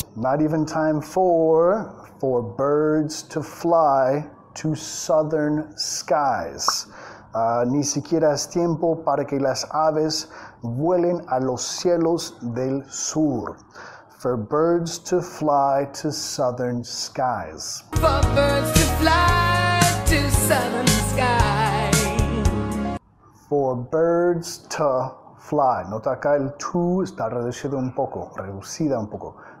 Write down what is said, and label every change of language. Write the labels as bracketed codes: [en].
[en] Not even time for birds to fly to southern skies. [es] Ni siquiera es tiempo para que las aves vuelen a los cielos del sur. [en] For birds to fly to southern skies. For birds to fly to southern skies. For birds to fly. [es] Nota acá el to está reducido un poco, reducida un poco.